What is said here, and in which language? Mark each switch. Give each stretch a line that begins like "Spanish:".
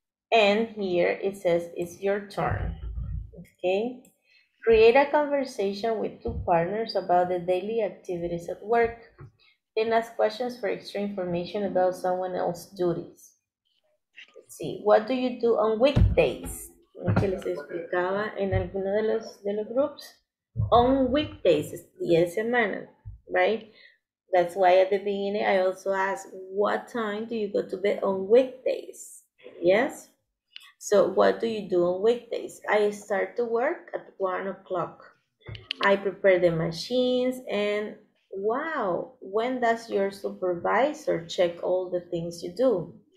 English: And here it says, it's your turn. Okay, create a conversation with two partners about the daily activities at work. Then ask questions for extra information about someone else's duties. Let's see, what do you do on weekdays?
Spanish: Que les explicaba en alguno de los groups.
English: On weekdays,
Spanish: es día de semana, right?
English: That's why at the beginning I also asked, what time do you go to bed on weekdays? Yes? So what do you do on weekdays? I start to work at 1 o'clock. I prepare the machines and wow, when does your supervisor check all the things you do?